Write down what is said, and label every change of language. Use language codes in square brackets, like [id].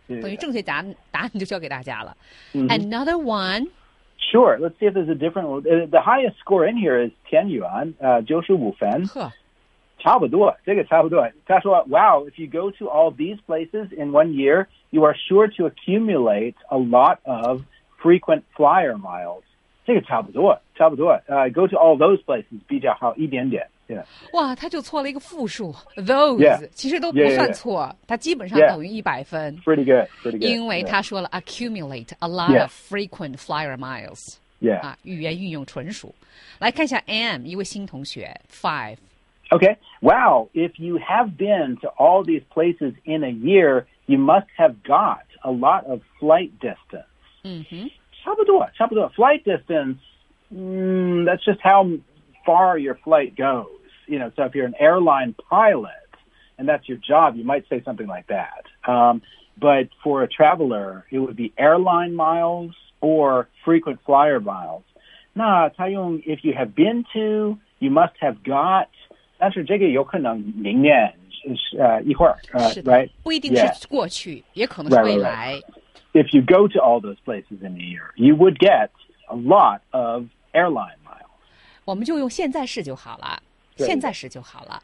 [zh] 等于正确答案就交给大家了。 [en] Mm-hmm. Another one, Sure, let's see if there's a different one. The highest score in here is 10 yuan, 95分. [zh] 差不多,这个差不多。他说, [en] wow, if you go to all these places in one year, you are sure to accumulate a lot of frequent flyer miles. [zh] 这个差不多,差不多。 [en] Go to all those places, [zh] 比较好一点点。 [en] Yeah. [zh] 哇,他就错了一个复数。 [en] Those, yeah. [zh] 其实都不算错。他基本上等于100分。 [en] Yeah. Pretty good, pretty good. [zh] 因为他说了 [en] accumulate a lot、 yeah. of frequent flyer miles. Yeah. [zh] 啊,语言运用纯属。来看一下 M, 一位新同学 ,5. [en] Okay, wow, if you have been to all these places in a year, you must have got a lot of flight distance. [zh] 差不多,差不多。 [en] Flight distance, that's just how... far your flight goes. You know, so if you're an airline pilot and that's your job, you might say something like that. But for a traveler, it would be airline miles or frequent flyer miles. [zh] 那他用 [en] if you have been to, you must have got, [zh] 但是这个有可能明年一会儿 [en] right? [zh] 不一定是过去、 [en] yeah. [zh] 也可能是未来 [en] right, right, right. If you go to all those places in a year, you would get a lot of airline. [zh] 我们就用现在式就好了，现在式就好了。